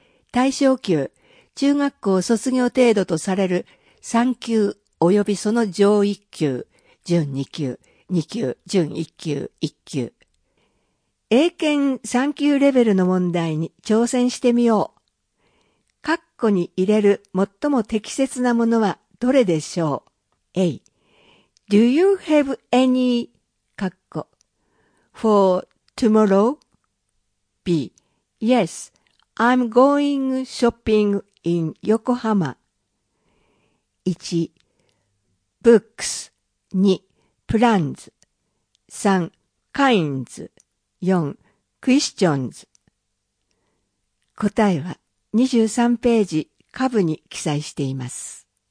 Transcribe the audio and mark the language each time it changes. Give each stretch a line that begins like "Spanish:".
Japanese: 対象級、中学校卒業程度とされる3級及びその上1級、準2級。 2級、準1級、1級。英検3級レベルの問題に挑戦してみよう。括弧に入れる最も適切なものはどれでしょう ?A.
English: Do you have any 括弧 for tomorrow? B. Yes, I'm going shopping in Yokohama. 1. books 2 plans 3 kinds 4 questions
Japanese: 答えは23ページ下部に記載しています。